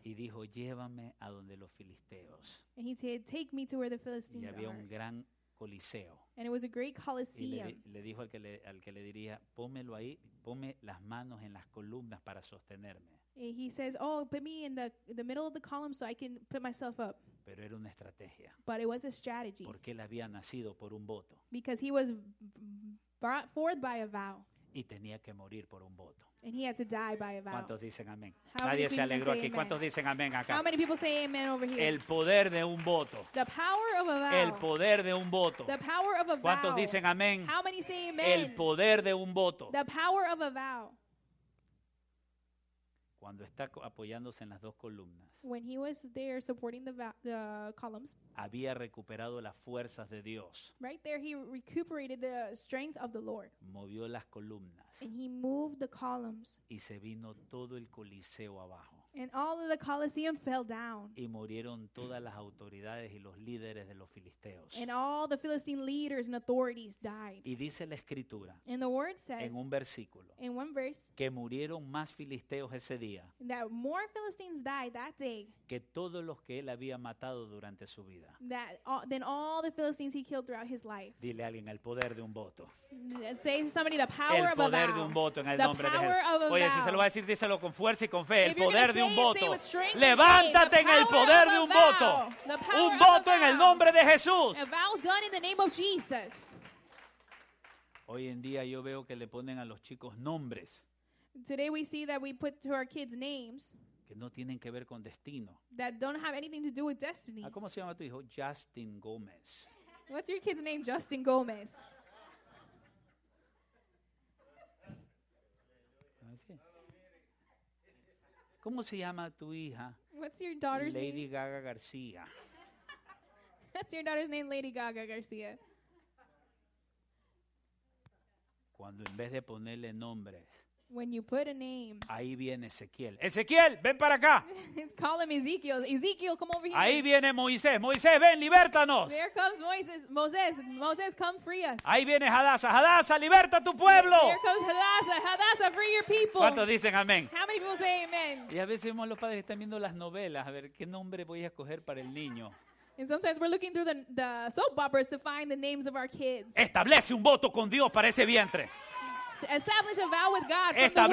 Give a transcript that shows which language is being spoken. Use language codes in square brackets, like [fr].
[es] Y dijo, llévame a donde los filisteos. [en] And he said, take me to where the Philistines [es] y había [en] are. [es] Un gran coliseo. [en] And it was a great coliseum. [es] Y le dijo al que le diría, pómelo ahí, póme las manos en las columnas para sostenerme. [en] And he says, oh, put me in the middle of the column so I can put myself up. [es] Pero era una estrategia. [en] But it was a strategy. [es] Porque él había nacido por un voto. [en] Because he was brought forth by a vow. [es] Y tenía que morir por un voto. [en] And he had to die by a vow. [es] ¿Cuántos dicen amén? Nadie se alegró aquí. ¿Cuántos dicen amén acá? [en] How many people say amen over here? [es] El poder de un voto. [en] The power of a vow. [es] El poder de un voto. [en] The power of a vow. [es] ¿Cuántos dicen amén? [en] How many say amen? [es] El poder de un voto. [en] The power of a vow. [es] cuando está apoyándose en las dos columnas, [en] when he was there supporting the columns, [es] había recuperado las fuerzas de Dios. [en] Right there he recuperated the strength of the Lord. [es] Movió las columnas. [en] And he moved the columns. [es] Y se vino todo el Coliseo abajo. [en] And all of the Colosseum fell down. [es] Y murieron todas las autoridades y los líderes de los filisteos. [en] And all the Philistine leaders and authorities died. [es] Y dice la escritura. [en] And the word says, [es] en un versículo. [en] In one verse, [es] que murieron más filisteos ese día. [en] That more Philistines died that day. [es] Que todos los que él había matado durante su vida. [en] That all, than all the Philistines he killed throughout his life. [es] Dile a alguien el poder de un voto. [en] Say to somebody the power of a vow. [es] El poder de un voto en el nombre de Jesús. Oye, si se lo va a decir, díselo con fuerza y con fe. El poder de un voto. Levántate en el poder de un voto. Un voto en el nombre de Jesús. [en] A vow done in the name of Jesus. [es] Hoy en día yo veo que le ponen a los chicos nombres. [en] Today we see that we put to our kids names. [es] Que no tienen que ver con destino. [en] That don't have anything to do with destiny. [es] ¿Cómo se llama tu hijo? Justin Gomez. [en] What's your kid's name? Justin Gomez. [es] ¿Cómo se llama tu hija? [en] What's your daughter's Lady name? Lady Gaga García. What's your daughter's name? Lady Gaga García. [es] Cuando en vez de ponerle nombres. [en] When you put a name. [es] Ahí viene Ezequiel. Ezequiel, ven para acá. [en] He's calling Ezekiel. Ezekiel, come over here. [es] Ahí viene Moisés. Moisés, ven, libértanos. [en] There comes Moses. Moses, Moses, come free us. [es] Ahí viene Hadassah. Hadassah, liberta tu pueblo. [en] There comes Hadassah. Hadassah, free your people. [es] ¿Cuántos dicen amén? [en] How many people say amen? [es] Y a veces vemos los padres están viendo las novelas. A ver, ¿qué nombre voy a escoger para el niño? [en] And sometimes we're looking through the soap operas to find the names of our kids. [es] Establece un voto con Dios para ese vientre. [en] Establish a vow with God from the womb.